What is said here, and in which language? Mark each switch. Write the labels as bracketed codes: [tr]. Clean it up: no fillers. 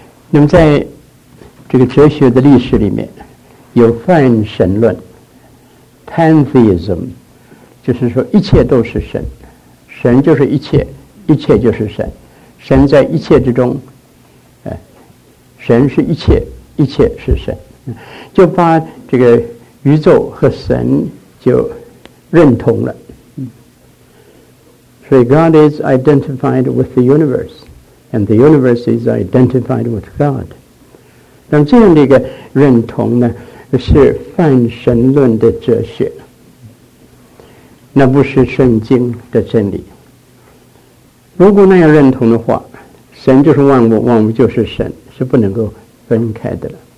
[zh] 那么在这个哲学的历史里面有泛神论 Pantheism， 就是说一切都是神，神就是一切，一切就是神，神在一切之中，神是一切，一切是神，就把这个宇宙和神就认同了。所以 [en] God is identified with the universe and the universe is identified with God。 [zh] 那这样的一个认同呢，是泛神论的哲学，那不是圣经的真理。如果那样认同的话，神就是万物，万物就是神，是不能够分开的了。